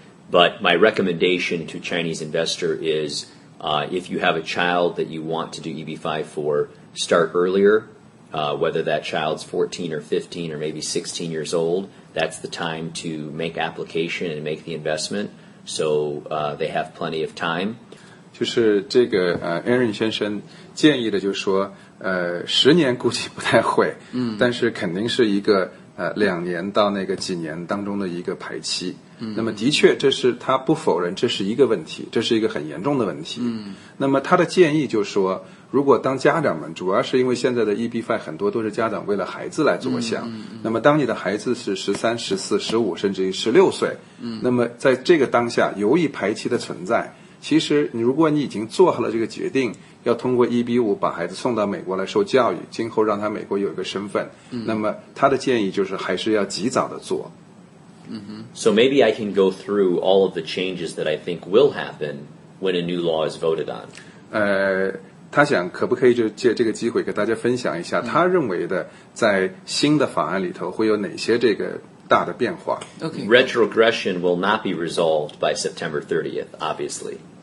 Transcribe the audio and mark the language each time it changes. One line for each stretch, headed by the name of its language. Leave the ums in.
English: But my recommendation to Chinese investor is uh, if you have a child that you want to do EB5 for, start earlier, uh, whether that child's 14 or 15 or maybe 16 years old. That's the time to make application and make the investment, so、uh, they have plenty of time.
Chinese: 就是这个呃，Aaron 先生建议的，就是说呃，十年估计不太会，嗯、mm.，但是肯定是一个呃两年到那个几年当中的一个排期。嗯、mm.，那么的确，这是他不否认这是一个问题，这是一个很严重的问题。嗯、mm.，那么他的建议就是说。如果当家长们，主要是因为现在的 e b five 很多都是家长为了孩子来着想，mm, mm, mm. 那么当你的孩子是十三、十四、十五，甚至于十六岁，那么在这个当下，由于排期的存在，其实如果你已经做好了这个决定，要通过 e b 五把孩子送到美国来受教育，今后让他美国有一个身份，那么他的建议就是还是要及早的做。 Mm -hmm.
English: So maybe I can go through all of the changes that I think will happen when a new law is voted on. 呃。
Chinese: 他想可不可以就借这个机会给大家分享一下他认为的在新的法案里头会有哪些这个大的变化？Okay，retrogression
English: will not be resolved by September 30th, obviously.